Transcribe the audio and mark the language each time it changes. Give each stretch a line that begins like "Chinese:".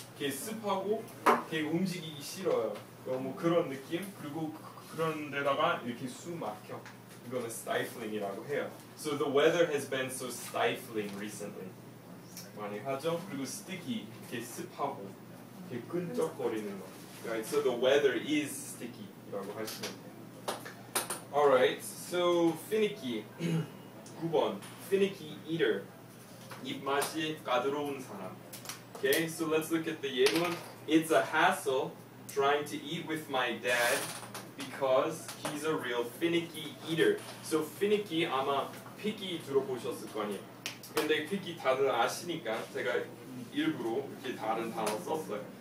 Korean: 되게 습하고 되게 움직이기 싫어요. 너무 그런 느낌. 그리고 그런데다가 이렇게 숨 막혀. 이거는 stifling이라고 해요.
English: So the weather has been so stifling recently.
Korean: 많이 하죠. 그리고 sticky 되게 습하고. 이렇게 끈적거리는 거.
English: Right, so the weather is sticky
Korean: 라고 하시면 돼요.
English: Alright, so finicky.
Korean: 9번.
English: Finicky eater.
Korean: 입맛이 까다로운 사람.
English: Okay, so let's look at the 예문. It's a hassle trying to eat with my dad because he's a real finicky eater.
Korean: So finicky 아마 picky 들어보셨을 거 아니에요. 근데 picky 다들 아시니까 제가 일부러 이렇게 다른 단어 썼어요.